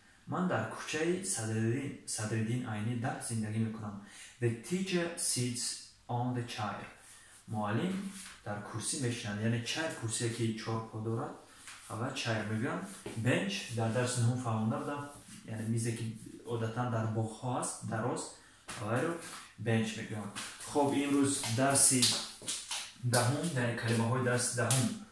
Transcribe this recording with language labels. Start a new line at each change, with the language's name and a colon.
Persian: من در کوچه صدرالدین عینی 10 زندگی می کنم.
English: The teacher sits on the chair.
Persian: معلم در کرسی می شنند. یعنی چهار کرسی که چهار پا دارد. اول چهار می گویم. بنچ در درس نهم فهمیده بودم. یعنی میزی که عادتا در باغ‌ها است درست. اول رو بنچ می گویم. خب امروز درسی دهم در کلمه های درس دهم.